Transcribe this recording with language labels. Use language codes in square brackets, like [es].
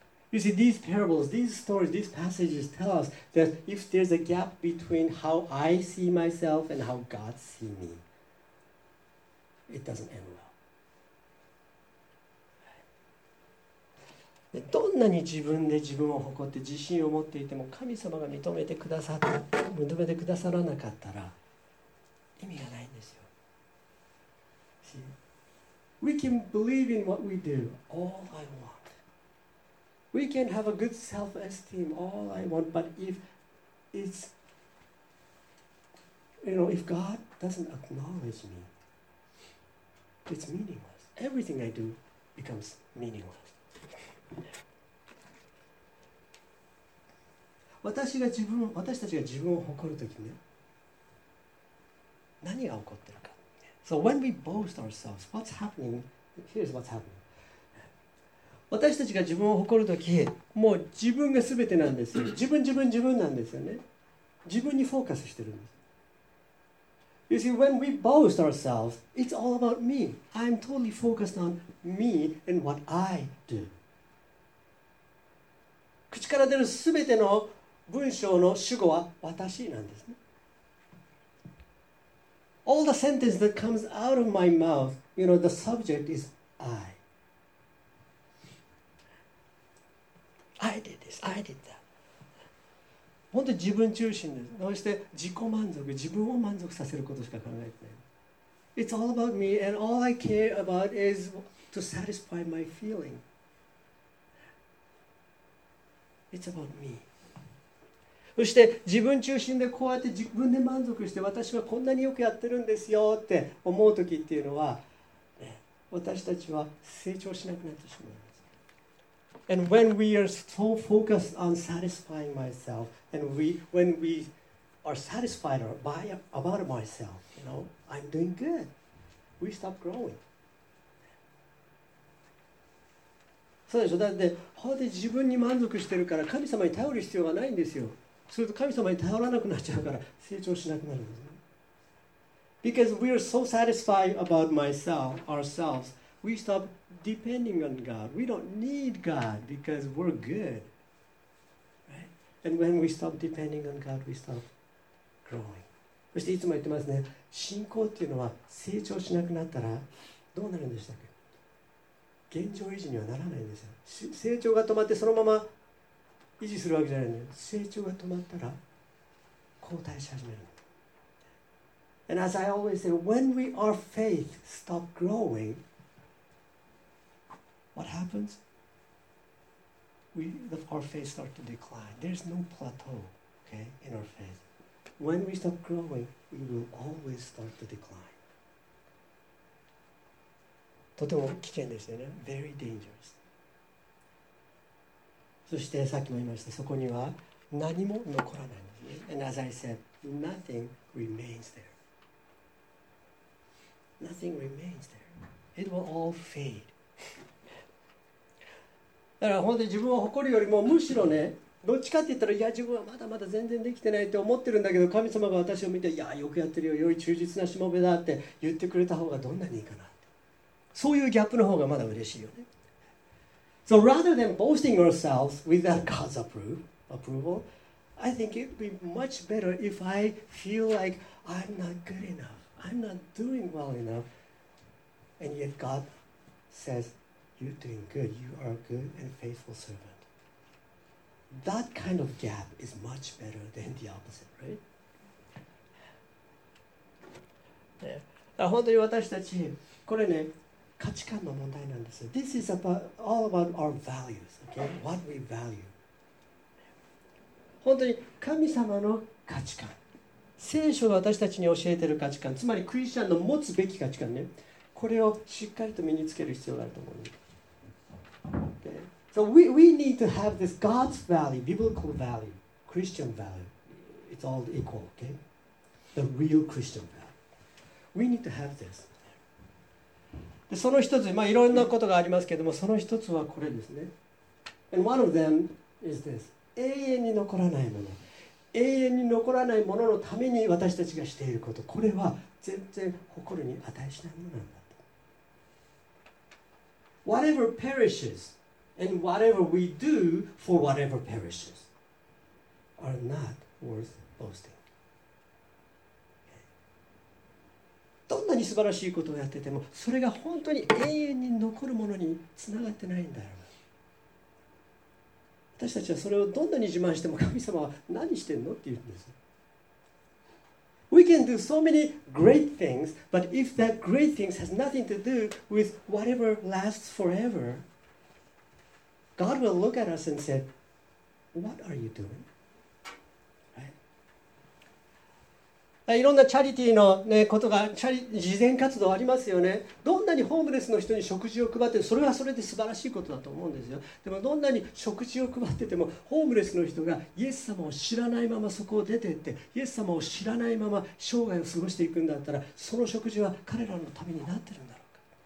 [en] You see, these parables, these stories, these passages tell us that if there's a gap between how I see myself and how God sees me, it doesn't end well. [ja] どんなに自分で自分を誇って自信を持っていても、神様が認めてくださらなかったら意味がないんですよ。 [en] We can believe in what we do all I want. We can have a good self-esteem all I want, but if it's, you know, if God doesn't acknowledge me, it's meaningless. Everything I do becomes meaningless. [ja] 私たちが自分を誇るときね、何が起こってるか。 [en] So when we boast ourselves, what's happening? Here's what's happening. [ja] 私たちが自分を誇るとき、もう自分が全てなんですよ。自分、自分、自分なんですよね。自分にフォーカスしてるんです。 [en] You see, when we boast ourselves, it's all about me. I'm totally focused on me and what I do. [ja] 口から出る全ての文章の主語は私なんですね。 [en] All the sentence that comes out of my mouth, you know, the subject is I. I did this, I did that. [ja] 本当に自分中心です。そして自己満足、自分を満足させることしか考えてない。 [en] It's all about me, and all I care about is to satisfy my feeling. It's about me. [ja] そして自分中心でこうやって自分で満足して私はこんなによくやってるんですよって思う時っていうのは、私たちは成長しなくなってしまいます。 [en] And when we are so focused on satisfying myself, and when we are satisfied about myself, you know, I'm doing good. We stop growing. [ja] そうでしょ。だって本当に自分に満足してるから神様に頼る必要がないんですよ。すると神様に頼らなくなっちゃうから成長しなくなるんですね。 [en] Because we are so satisfied about myself, ourselves, we stop depending on God. We don't need God because we're good. Right? And when we stop depending on God, we stop growing. [ja] そしていつも言ってますね。信仰っていうのは成長しなくなったらどうなるんでしたっけ？現状維持にはならないんですよ。成長が止まってそのまま維持するわけじゃないのよ。成長が止まったら後退し始める。 [en] And as I always say, when we our faith stop growing, what happens? Our faith start to decline. There's no plateau, okay, in our faith. When we stop growing, we will always start to decline. [ja] とても危険ですよね。 [en] Very dangerous. [ja] そしてさっきも言いました、そこには何も残らないんですね。 [en] And as I said, nothing remains there. Nothing remains there. It will all fade. [ja] だから本当に自分を誇るよりもむしろね、どっちかって言ったら、いや自分はまだまだ全然できてないって思ってるんだけど、神様が私を見て、いやよくやってるよ、良い忠実なしもべだって言ってくれた方がどんなにいいかなって。そういうギャップの方がまだ嬉しいよね。 [en] So rather than boasting ourselves without God's approval, I think it would be much better if I feel like I'm not good enough. I'm not doing well enough, and yet God says, "You're doing good. You are a good and faithful servant." That kind of gap is much better than the opposite, right? Yeah. [ja] 本当に私たち、これね、価値観の問題なんですよ。 [en] This is about all about our values, okay? What we value. [ja] 本当に神様の価値観。聖書が私たちに教えている価値観、つまりクリスチャンの持つべき価値観ね、これをしっかりと身につける必要があると思う。 [en] Okay. So we need to have this God's value, biblical value, Christian value. It's all equal, okay? The real Christian value. We need to have this. [ja] でその一つ、まあいろんなことがありますけれども、その一つはこれですね。 [en] And one of them is this. [ja] 永遠に残らないもの。永遠に残らないもののために私たちがしていること、これは全然誇るに値しないものなんだと。 [en] Whatever perishes and whatever we do for whatever perishes are not worth boasting. [ja] どんなに素晴らしいことをやってても、それが本当に永遠に残るものにつながってないんだろう。私たちはそれをどんなに自慢しても神様は何してんのって言うんです。 [en] We can do so many great things, but if that great things has nothing to do with whatever lasts forever, God will look at us and say, What are you doing? [ja] いろんなチャリティーの、ね、ことが慈善活動ありますよね。どんなにホームレスの人に食事を配って、それはそれで素晴らしいことだと思うんですよ。でもどんなに食事を配っててもホームレスの人がイエス様を知らないままそこを出てってイエス様を知らないまま生涯を過ごしていくんだったら、その食事は彼らのためになってるんだろうか。